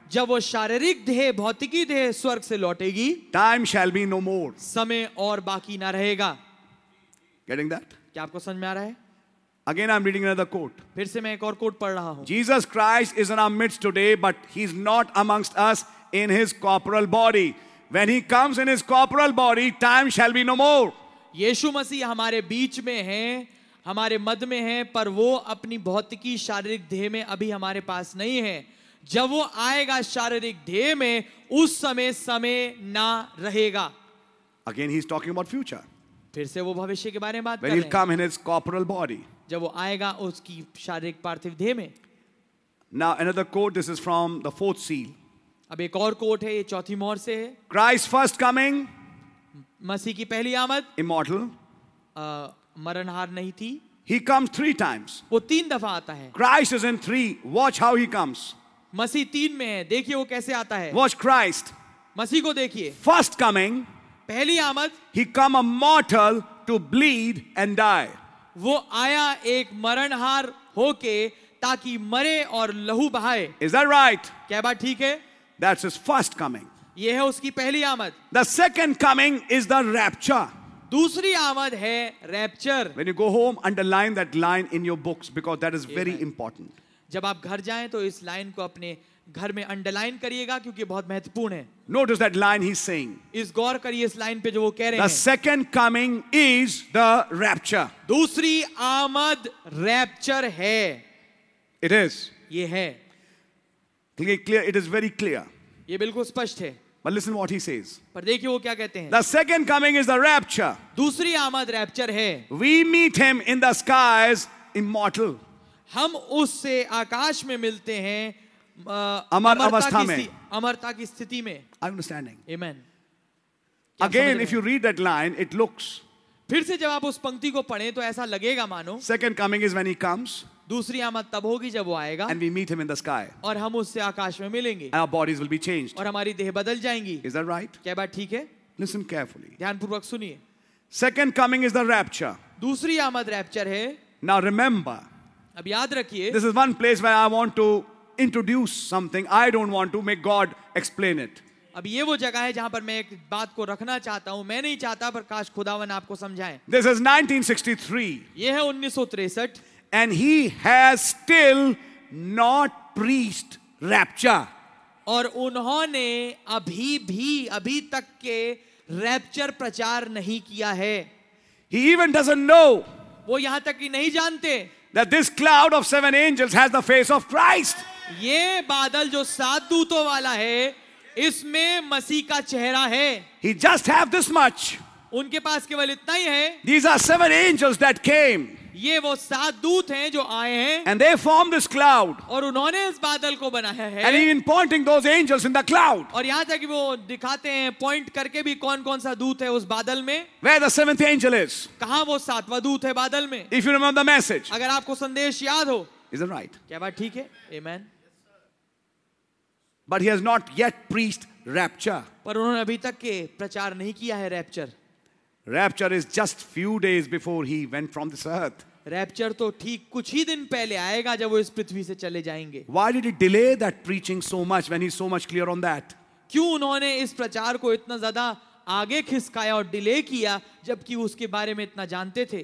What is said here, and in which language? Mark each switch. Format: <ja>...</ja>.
<hi>जब वो शारीरिक देह, भौतिकी देह स्वर्ग से लौटेगी.</hi> <en>Time shall be no more.</en> <hi>समय और बाकी ना रहेगा.</hi> <en>Getting that?</en> <hi>क्या आपको समझ में आ रहा है?</hi> <en>Again I am reading another quote.</en> <hi>फिर से मैं एक और कोट पढ़ रहा हूं.</hi> <en>Jesus Christ is in our midst today but he is not amongst us in his corporal body. When he comes in his corporal body, time shall be no more.</en> <hi>यीशु मसीह हमारे बीच में है, हमारे मध्य में है, पर वो अपनी भौतिकी शारीरिक देह में अभी हमारे पास नहीं है. जब वो आएगा शारीरिक देह में, उस समय समय ना रहेगा.</hi> <en>Again, he's talking about future.</en> <hi>फिर से वो भविष्य के बारे में बात कर रहे हैं.</hi> <en>When he'll come in his corporal body.</en> <hi>जब वो आएगा उसकी शारीरिक पार्थिव देह में.</hi> <en>Now another quote. This is from the fourth seal.</en> <hi>अब एक और कोट है, ये चौथी मोहर से है.</hi> <en>Christ first coming.</en> <hi>मसीह की पहली आमद.</hi> <en>Immortal.</en> <hi>मरणहार नहीं थी.</hi> <en>He comes three times.</en> <hi>वो तीन दफा आता है.</hi> <en>Christ is in three. Watch how he comes.</en> <hi>मसीह तीन में है, देखिए वो कैसे आता है.</hi> <en>Watch Christ.</en> <hi>मसीह को देखिए.</hi> <en>First coming.</en> <hi>पहली आमद.</hi> <en>He come a mortal to bleed and die.</en> <hi>वो आया एक मरणहार होके ताकि मरे और लहू बहाए.</hi> <en>Is that right?</en> <hi>क्या बात ठीक है?</hi> <en>That's his first coming.</en> <hi>ये है उसकी पहली आमद.</hi> <en>The second coming is the rapture.</en> <hi>दूसरी आमद है rapture.</hi> <en>When you go home, underline that line in your books because that is very important.</en> <hi>जब आप घर जाएं तो इस लाइन को अपने घर में अंडरलाइन करिएगा क्योंकि बहुत महत्वपूर्ण है.</hi> <en>Notice that line he's saying.</en> <hi>इस गौर करिए इस लाइन पे जो वो कह रहे हैं.</hi> <en>The second coming is the rapture.</en> <hi>दूसरी आमद rapture है.</hi> <en>It is.</en> <hi>ये है.</hi> <en>Clear, it is very clear.</en> <hi>ये बिल्कुल स्पष्ट है.</hi> <en>But listen what he says.</en> <hi>पर देखिए वो क्या कहते हैं.</hi> <en>The second coming is the rapture.</en> <hi>दूसरी आमद रैप्चर है.</hi> <en>We meet him in the skies, immortal.</en> <hi>हम उससे आकाश में मिलते हैं अमर अवस्था में, अमरता की स्थिति में.</hi> <en>I'm understanding. Amen. Again, if you read that line, it looks.</en> <hi>फिर से जब आप उस पंक्ति को पढ़ें तो ऐसा लगेगा मानो.</hi> <en>Second coming is when he comes.</en> <hi>दूसरी आमद तब होगी जब वो आएगा.</hi> <en>And we meet him in the sky.</en> <hi>और हम उससे आकाश में मिलेंगे.</hi> <en>And our bodies will be changed.</en> <hi>और हमारी देह बदल जाएंगी.</hi> <en>Is that right?</en> <hi>क्या बात ठीक है?</hi> <en>Listen carefully.</en> <hi>ध्यानपूर्वक सुनिए.</hi> <en>Second coming is the rapture.</en> <hi>दूसरी आमद रैप्चर है.</hi> <en>Now remember.</en> <hi>अब याद रखिए.</hi> <en>This is one place where I want to introduce something. I don't want to make God explain it.</en> <hi>अब ये वो जगह है जहां पर मैं एक बात को रखना चाहता हूं. मैं नहीं चाहता पर काश खुदावन आपको समझाए.</hi> <en>This is 1963.</en> <hi>ये है 1963.</hi> <en>And he has still not preached rapture.</en> <hi>और उन्होंने अभी भी अभी तक के रैप्चर प्रचार नहीं किया है.</hi> <en>He even doesn't know.</en> <hi>वो यहां तक ही नहीं जानते.</hi> <en>that this cloud of seven angels has the face of Christ.</en> <hi>ये बादल जो सात दूतों वाला है, इसमें मसीह का चेहरा है.</hi> <en>He just have this much.</en> <hi>उनके पास केवल इतना ही है.</hi> <en>These are seven angels that came.</en> <hi>ये वो सात दूत हैं जो आए हैं.</hi> <en>And they form this cloud.</en> <hi>और उन्होंने इस बादल को बनाया है.</hi> <en>And even pointing those angels in the cloud.</en> <hi>और यहाँ तक कि वो दिखाते हैं, point करके भी कौन-कौन सा दूत है उस बादल में.</hi> <en>Where the seventh angel is.</en> <hi>कहाँ वो सातवां दूत है बादल में.</hi> <en>If you remember the message.</en> <hi>अगर आपको संदेश याद हो.</hi> <en>Is it right?</en> <hi>क्या बात ठीक है? Amen.</hi> <en>But he has not yet preached rapture.</en> <hi>पर उन्होंने अभी तक के प्रचार नहीं किया है rapture.</hi> <en>Rapture is just few days before he went from this earth.</en> <hi>Rapture तो ठीक कुछ ही दिन पहले आएगा जब वो इस पृथ्वी से चले जाएंगे.</hi> <en>Why did he delay that preaching so much when he's so much clear on that?</en> <hi>क्यों उन्होंने इस प्रचार को इतना ज़्यादा आगे खिसकाया और डिले किया जबकि उसके बारे में इतना जानते थे?</hi>